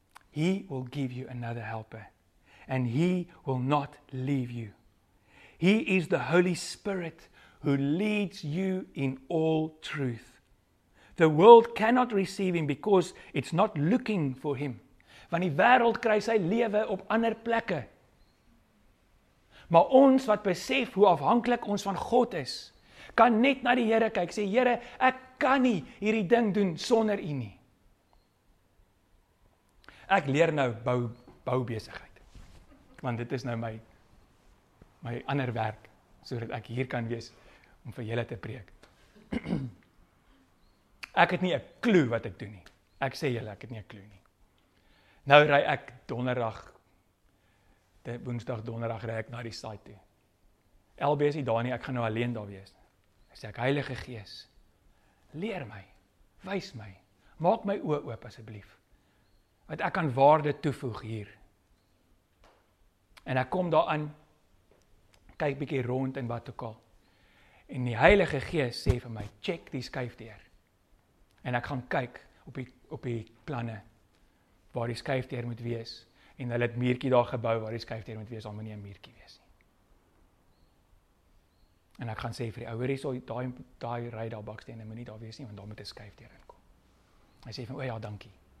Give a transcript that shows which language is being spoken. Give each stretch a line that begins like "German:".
English: He will give you another helper and he will not leave you. He is the Holy Spirit who leads you in all truth. The world cannot receive him because it's not looking for him.
Afrikaans: Want die wêreld kry sy lewe op ander plekke. Maar ons wat besef hoe afhanklik ons van God is, kan net na die Here kyk, sê Here, ek kan nie hierdie ding doen sonder U nie. Ek leer nou bou besigheid. Want dit is nou my ander werk sodat ek hier kan wees om vir julle te preek. Ek het nie 'n klou wat ek doen nie. Ek sê julle, ek het nie 'n klou nie. Nou ry ek donderdag Dit Woensdag donderdag ry ek na die site toe. LB is nie daar nie, ek gaan nou alleen daar wees. Ek sê ek Heilige Gees, leer my, wys my, maak my oë oop asseblief. Want ek kan waarde toevoeg hier. En ek kom daar aan, kyk bietjie rond en wat ook al. En die Heilige Gees sê vir my, check die skuif deur. En ek gaan kyk op die planne waar die skuif deur moet wees. En hulle het muurtjie daar gebou waar die skuifdeur moet wees, al moet nie 'n muurtjie wees nie. En ek gaan sê vir die ouer hierso, daai ry daar baksteene moet nie daar wees nie, want daar moet 'n skuifdeur inkom. Hy sê van, "O ja, dankie."